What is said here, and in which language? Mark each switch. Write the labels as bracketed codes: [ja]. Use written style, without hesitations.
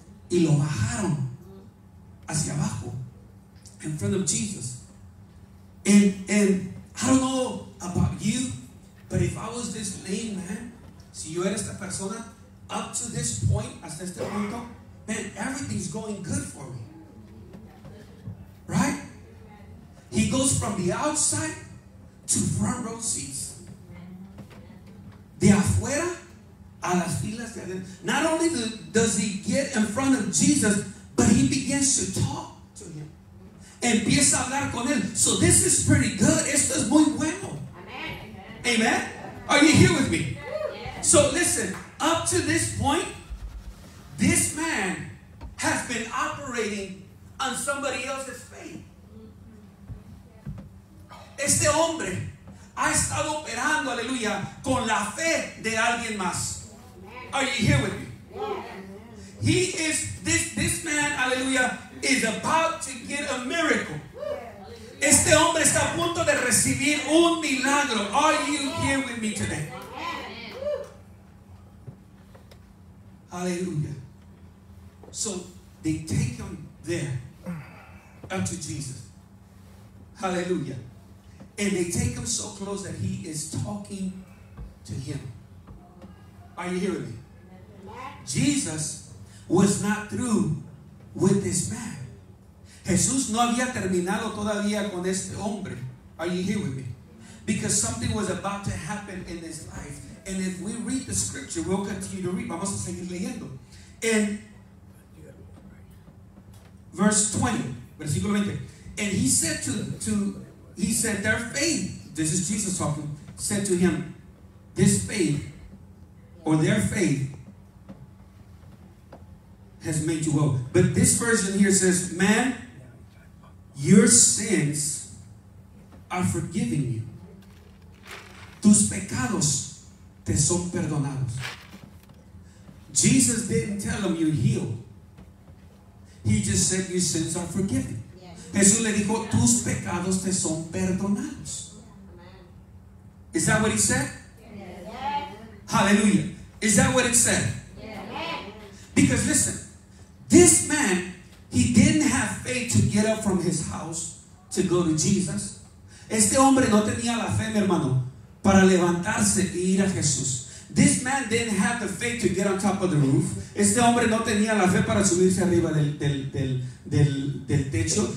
[es] Y lo bajaron hacia abajo, [en] in front of Jesus. And I don't know about you, but if I was this lame man, [es] si yo era esta persona, [en] up to this point, [es] hasta este punto, [en] man, everything's going good for me. Right? He goes from the outside to front row seats. [es] De afuera a las filas de adentro. [en] Not only does he get in front of Jesus, but he begins to talk to him. [es] Empieza a hablar con él. [en] So this is pretty good. [es] Esto es muy bueno. [en] Amen. Amen. Are you here with me? So listen, up to this point, this man has been operating on somebody else's faith. [es] Este hombre ha estado operando, aleluya, con la fe de alguien más. [en] Are you here with me? He is, this man, aleluya, is about to get a miracle. [es] Este hombre está a punto de recibir un milagro. [en] Are you here with me today? Hallelujah. So they take him there up to Jesus. Hallelujah. And they take him so close that he is talking to him. Are you hearing me? Jesus was not through with this man. [es] Jesús no había terminado todavía con este hombre. [en] Are you here with me? Because something was about to happen in his life. And if we read the scripture, we'll continue to read. [es] Vamos a seguir leyendo. [en] And verse 20, [es] versículo 20. [en] And he said to their faith, this is Jesus talking, said to him, this faith, or their faith, has made you well. But this version here says, man, your sins are forgiven you. [es] Tus pecados te son perdonados. [en] Jesus didn't tell him you're healed. He just said your sins are forgiven. Yes. [es] Jesús le dijo, tus pecados te son perdonados. [en] Yes. Is that what he said? Yes. Hallelujah. Is that what it said? Yes. Because listen, this man, he didn't have faith to get up from his house to go to Jesus. [es] Este hombre no tenía la fe, mi hermano, para levantarse e ir a Jesús. [en] This man didn't have the faith to get on top of the roof. [es] Este hombre no tenía la fe para subirse arriba del techo.